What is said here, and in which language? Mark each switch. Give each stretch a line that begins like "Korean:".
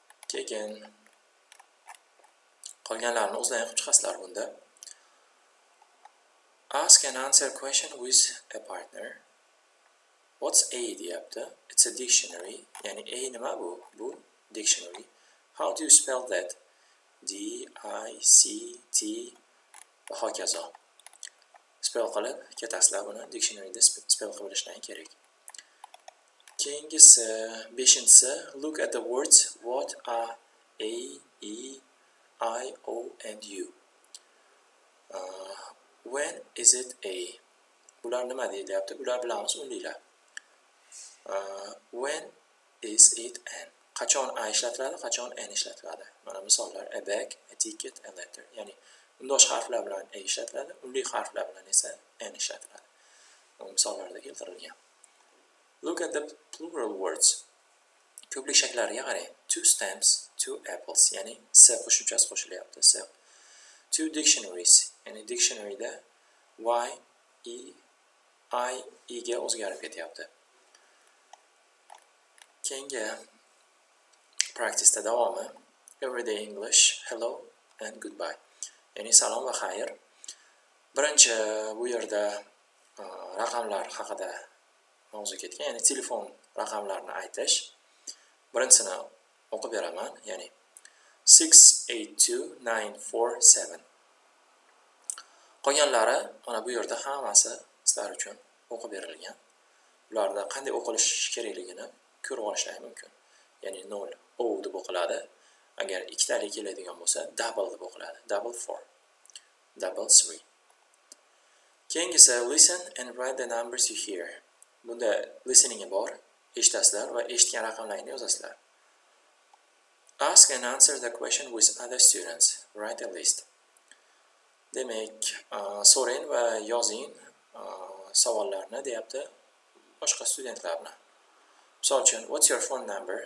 Uzbek: Keyin qolganlarini o'zlaring chiqasizlar bunda.
English: Ask and answer question with a partner. What's A
Uzbek: deyapti?
English: It's a dictionary.
Uzbek: Yani A nima bu? Bu
English: dictionary. How do you spell that? D-I-C-T
Uzbek: va hokazo. Spell qilib ketasizlar buni. Dictionaryda spell qilishlaring kerak. Keyingisi, beshinchisi.
English: Look at the words. What are A, E, I, O, and U? When is it A?
Uzbek: Bular nima deyapti? Bular bilamiz unlilar.
English: When is it an?
Uzbek: Qachon A ishlatiladi, qachon an ishlatiladi? Mana misollar:
English: a bag, a ticket, a letter.
Uzbek: Ya'ni undosh harflar bilan A ishlatiladi, unli harflar bilan esa an ishlatiladi. Bu misollarda keltirilgan.
English: Look at the plural words.
Uzbek: Ko'plik shakllariga qarang.
English: Two stamps, two apples.
Uzbek: Ya'ni s qo'shimchasi qo'shilyapti. S.
English: Two dictionaries.
Uzbek: Ya'ni dictionaryda y, e, i, e ga o'zgarib ketyapti. Keyingi
English: practice
Uzbek: davomi.
English: Everyday English. Hello and goodbye.
Uzbek: Ya'ni salom va xayr. Birinchi bu yerda raqamlar haqida mavzu ketgan, ya'ni telefon raqamlarini aytish. Birinchisini o'qib beraman, ya'ni 682947. Qolganlari mana bu yerda hammasi sizlar uchun o'qib berilgan. Ularda qanday o'qilish kerakligini ko'rib olishlaringiz mumkin. Ya'ni 0 O deb o'qiladi. Agar ikkitalik keladigan bo'lsa, double deb o'qiladi.
English: Double 4. Double 3.
Uzbek: Keyingisi,
English: listen and write the numbers you hear.
Uzbek: Bunda listening'i bor. Eshitasizlar va eshitgan raqamlarni yozasizlar.
English: Ask and answer the question with other students. Write a list.
Uzbek: Demak, so'rang va yozing savollarni deyapti boshqa studentlarga. Misol uchun,
English: what's your phone number?